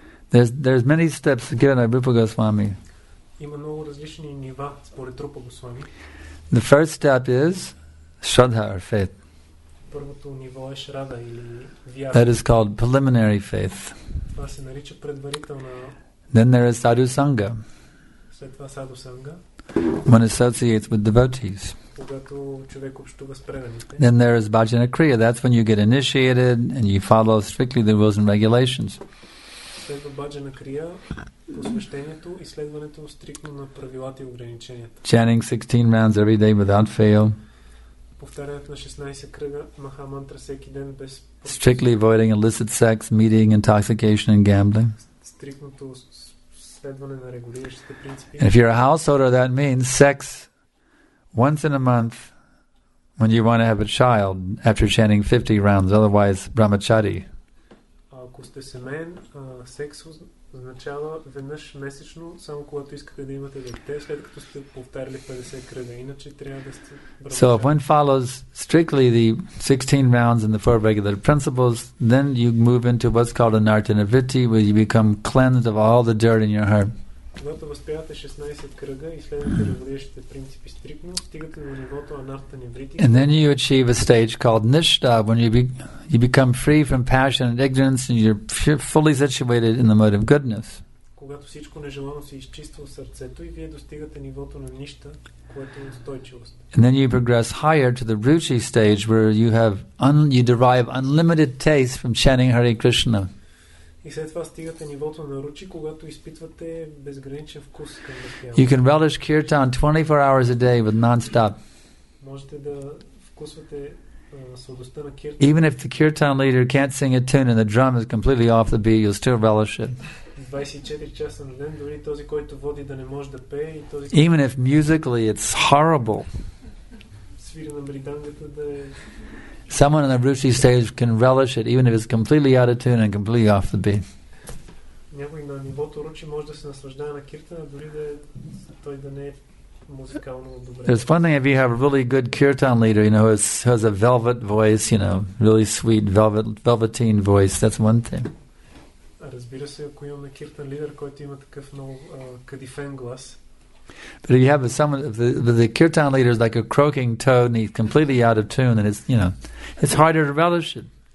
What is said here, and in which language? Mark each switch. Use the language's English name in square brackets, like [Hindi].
[English] There's many steps given by Rupa Goswami. The first step is Shraddha, or faith. [Bulgarian] първото ниво е шрада или вяра. [English] That is called preliminary faith. [Bulgarian] Това се нарича предварителна. [English] Then there is sadhusanga. [Bulgarian] След това sadhusanga. [English] One associates with devotees. [Bulgarian] Когато човек общува с преданите. [English] Then there is bhajana kriya. That's when you get initiated and you follow strictly the rules and regulations. [Bulgarian] Следва bhajana kriya, посвещението и следването стриктно на правилата и ограниченията. [English] Chanting 16 rounds every day without fail. [Bulgarian] Повтарянето на 16 кръга маха мантра всеки ден без. [English] Strictly avoiding illicit sex, meeting, intoxication and gambling. [Bulgarian] Стриктното следване на регулиращите принципи. [English] And if you're a householder, that means sex once in a month when you want to have a child after chanting 50 rounds, otherwise brahmachari. [Bulgarian] Ако сте семен, секс означава веднъж месечно, само когато искате да имате дете, след като сте повтаряли 50 кръга, иначе трябва да сте брахмачари. [English] So if one follows strictly the 16 rounds and the four regular principles, then you move into what's called anartana vritti, where you become cleansed of all the dirt in your heart. [Bulgarian] Когато възпявате 16 кръга и следвате регулиращите принципи стриктно, стигате до нивото анартани вритти. [English] And then you achieve a stage called nishta, when you become free from passion and ignorance and you're fully situated in the mode of goodness. [Bulgarian] Когато всичко нежелано се изчиства в сърцето и вие достигате нивото на ништа, което е устойчивост. [English] And then you progress higher to the ruchi stage, where you derive unlimited taste from chanting Hare Krishna. [Bulgarian] И след това стигате нивото на ручи, когато изпитвате безграничен вкус към Кирта. [English] You can relish kirtan 24 hours a day with non-stop. [Bulgarian] Можете да вкусвате сладостта на Кирта. [English] Even if the kirtan leader can't sing a tune and the drum is completely off the beat, you'll still relish it. [Bulgarian] 24 часа на ден, дори този, който води, да не може да пее, и този. [English] Even if musically it's horrible. [Bulgarian] Свири на мридангата да е. [English] Someone on the ruchi stage can relish it even if it's completely out of tune and completely off the beat. [Bulgarian] Някой на нивото ручи може да се наслаждава на киртана, дори да той да не е музикално добре. [English] There's one thing if you have a really good kirtan leader, you know, who has a velvet voice, you know, really sweet velveteen voice, that's one thing. [Bulgarian] Разбира се, ако имаме киртан лидер, който има такъв много кадифен глас. [English] But if you have the kirtan leader is like a croaking toad and he's completely out of tune, and it's, you know, it's harder to relish it.